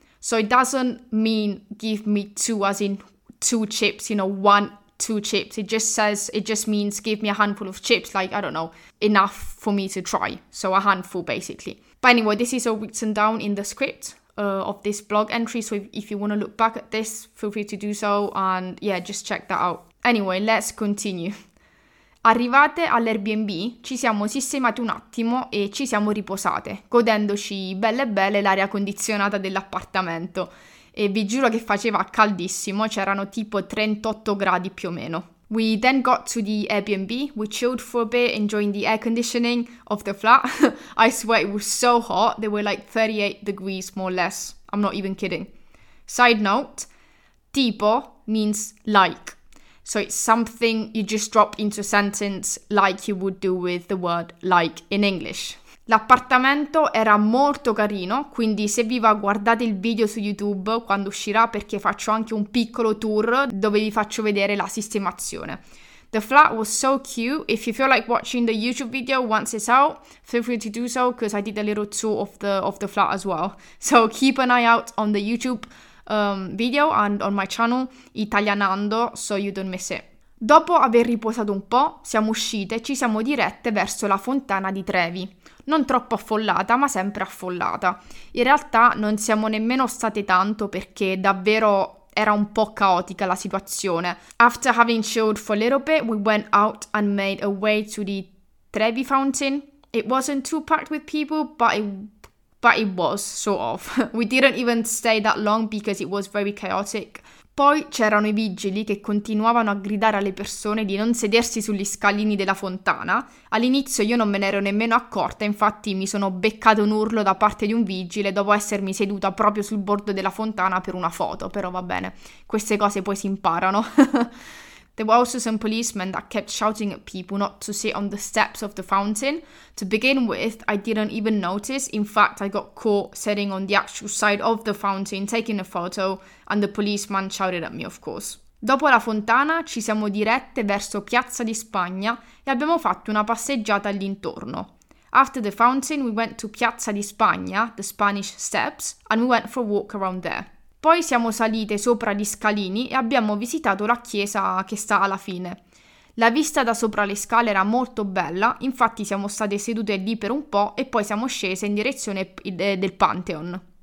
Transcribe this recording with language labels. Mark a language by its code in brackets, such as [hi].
[en] So it doesn't mean give me two as in two chips, you know, one, two chips. It just means give me a handful of chips, like, I don't know, enough for me to try. So a handful, basically. But anyway, this is all written down in the script of this blog entry. So if you want to look back at this, feel free to do so. And yeah, just check that out. Anyway, let's continue. [it] Arrivate all'Airbnb, ci siamo sistemate un attimo e ci siamo riposate, godendoci belle belle l'aria condizionata dell'appartamento. E vi giuro che faceva caldissimo, c'erano tipo 38 gradi più o meno. [en] We then got to the Airbnb, we chilled for a bit, enjoying the air conditioning of the flat. I swear it was so hot, they were like 38 degrees more or less. I'm not even kidding. Side note, tipo means like. So it's something you just drop into a sentence like you would do with the word like in English. [it] L'appartamento era molto carino, quindi se vi va guardate il video su YouTube quando uscirà, perché faccio anche un piccolo tour dove vi faccio vedere la sistemazione. [en] The flat was so cute. If you feel like watching the YouTube video once it's out, feel free to do so, because I did a little tour of the flat as well. So keep an eye out on the YouTube video and on my channel Italianando, so you don't miss it. [it] Dopo aver riposato un po', siamo uscite e ci siamo dirette verso la Fontana di Trevi. Non troppo affollata, ma sempre affollata. In realtà non siamo nemmeno state tanto perché davvero era un po' caotica la situazione. [en] After having chilled for a little bit, we went out and made our way to the Trevi Fountain. It wasn't too packed with people, but it was, sort of. We didn't even stay that long because it was very chaotic. [it] Poi c'erano i vigili che continuavano a gridare alle persone di non sedersi sugli scalini della fontana. All'inizio io non me ne ero nemmeno accorta, infatti mi sono beccato un urlo da parte di un vigile dopo essermi seduta proprio sul bordo della fontana per una foto, però va bene, queste cose poi si imparano. [en] There were also some policemen that kept shouting at people not to sit on the steps of the fountain. To begin with, I didn't even notice. In fact, I got caught sitting on the actual side of the fountain, taking a photo, and the policeman shouted at me, of course. [it] Dopo la fontana, ci siamo dirette verso Piazza di Spagna e abbiamo fatto una passeggiata all'intorno. [en] After the fountain, we went to Piazza di Spagna, the Spanish Steps, and we went for a walk around there. [it] Poi siamo salite sopra gli scalini e abbiamo visitato la chiesa che sta alla fine. La vista da sopra le scale era molto bella, infatti siamo state sedute lì per un po' e poi siamo scese in direzione del Pantheon.